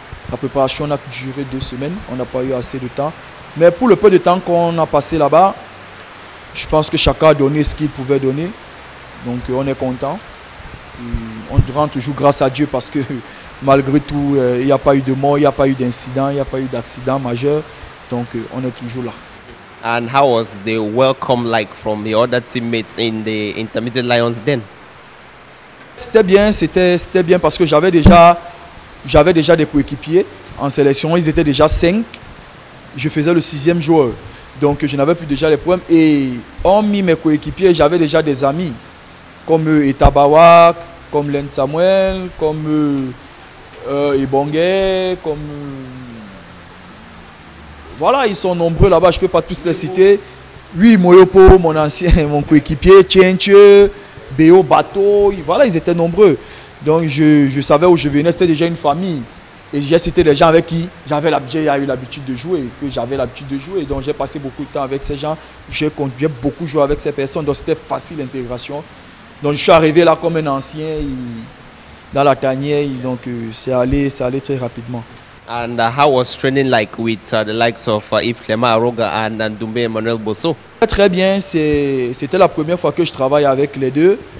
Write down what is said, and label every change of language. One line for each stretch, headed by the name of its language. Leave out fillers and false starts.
French: La préparation n'a duré 2 semaines, on n'a pas eu assez de temps. Mais pour le peu de temps qu'on a passé là-bas, je pense que chacun a donné ce qu'il pouvait donner. Donc on est content. On rend toujours grâce à Dieu parce que malgré tout, il n'y a pas eu de mort, il n'y a pas eu d'incident, il n'y a pas eu d'accident majeur. Donc on est toujours là.
English: And how was the welcome like from the other teammates in the Intermediate Lions then?
French: C'était bien parce que j'avais déjà des coéquipiers en sélection, ils étaient déjà 5. je faisais le sixième joueur. Donc je n'avais plus déjà les problèmes. Et hormis mes coéquipiers, j'avais déjà des amis comme Etabawak, comme Len Samuel, comme Ebongé, comme... Voilà, ils sont nombreux là-bas, je ne peux pas tous les citer. Oui, Moyopo, mon ancien, mon coéquipier, Tchentche, Béo, Bato, voilà, ils étaient nombreux. Donc je savais où je venais, c'était déjà une famille. Et j'ai cité les gens avec qui j'avais l'habitude de jouer, que j'avais l'habitude de jouer. Donc j'ai passé beaucoup de temps avec ces gens, j'ai beaucoup joué avec ces personnes, donc c'était facile l'intégration. Donc je suis arrivé là comme un ancien dans la tanière, donc c'est allé très rapidement.
English: And how was training like with the likes of Yves Clément Aroga and Ndoumbé Emmanuel Bosso?
French: Très bien, c'était la première fois que je travaille avec les deux.